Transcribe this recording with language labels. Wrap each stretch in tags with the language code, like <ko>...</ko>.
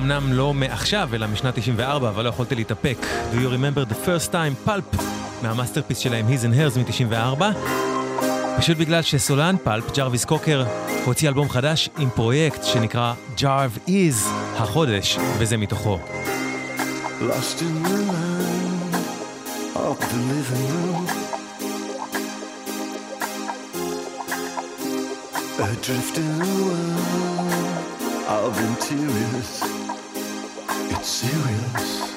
<he>לא מעכשיו, אלא משנת 94, אבל לא יכולתי להתאפק. Do you remember the first time Pulp מהמאסטרפיס שלהם, His and Hers מ-94? פשוט בגלל שסולן Pulp, ג'רוויס קוקר, הוציא אלבום חדש עם פרויקט שנקרא Jarv is החודש, וזה מתוכו.</he> <en>Lost in the land of the living room. Adrift in the world of interiors. It's serious.</en>